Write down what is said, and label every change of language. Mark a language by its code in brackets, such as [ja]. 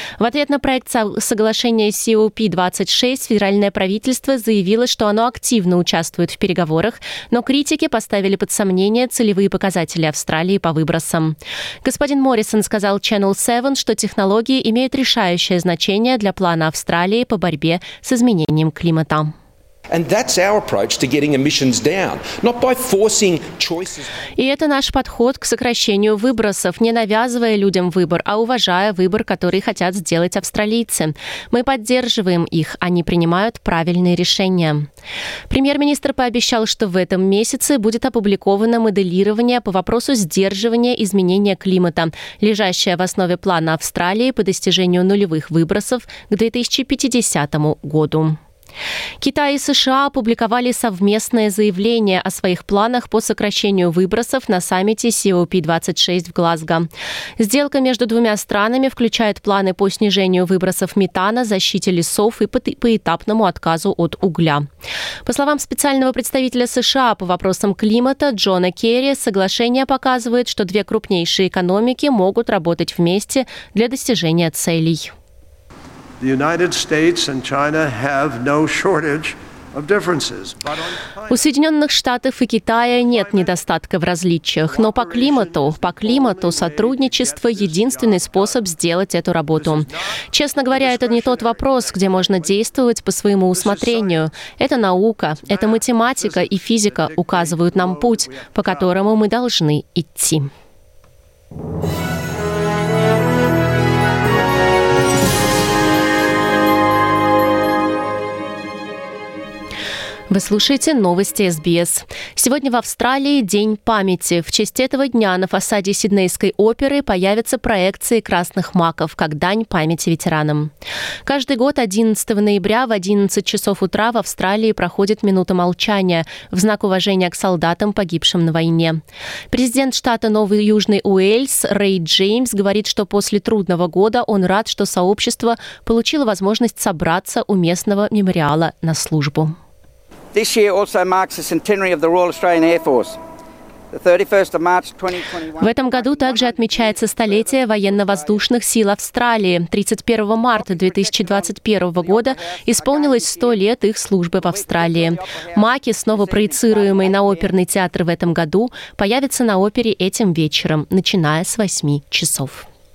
[ru] В ответ на проект соглашения COP26 федеральное правительство заявило, что оно активно участвует в переговорах, но критики поставили под сомнение целевые показатели Австралии по выбросам. Господин Моррисон сказал Channel 7, что технологии имеют решающее значение для плана Австралии по борьбе с изменением климата. [en] And that's our approach to getting emissions down, not by forcing choices. [ru] И это наш подход к сокращению выбросов, не навязывая людям выбор, а уважая выбор, который хотят сделать австралийцы. Мы поддерживаем их, они принимают правильные решения. Премьер-министр пообещал, что в этом месяце будет опубликовано моделирование по вопросу сдерживания изменения климата, лежащее в основе плана Австралии по достижению нулевых выбросов к 2050 году. Китай и США опубликовали совместное заявление о своих планах по сокращению выбросов на саммите COP26 в Глазго. Сделка между двумя странами включает планы по снижению выбросов метана, защите лесов и поэтапному отказу от угля. По словам специального представителя США по вопросам климата Джона Керри, соглашение показывает, что две крупнейшие экономики могут работать вместе для достижения целей. [en] The United States and China have no shortage of differences. [ru] У Соединенных Штатов и Китая нет недостатка в различиях, но по климату сотрудничество – единственный способ сделать эту работу. Честно говоря, это не тот вопрос, где можно действовать по своему усмотрению. Это наука, это математика и физика указывают нам путь, по которому мы должны идти. Вы слушаете новости SBS. Сегодня в Австралии День памяти. В честь этого дня на фасаде Сиднейской оперы появятся проекции красных маков, как дань памяти ветеранам. Каждый год 11 ноября в 11 часов утра в Австралии проходит минута молчания в знак уважения к солдатам, погибшим на войне. Президент штата Новый Южный Уэльс Рэй Джеймс говорит, что после трудного года он рад, что сообщество получило возможность собраться у местного мемориала на службу. [en] This year also marks the centenary of the Royal Australian Air Force. [ru] В этом году также отмечается столетие военно-воздушных сил Австралии. 31 марта 2021 года исполнилось 100 лет их службы в Австралии. Маки, снова проецируемые на оперный театр в этом году, появятся на опере этим вечером, начиная с 8 часов.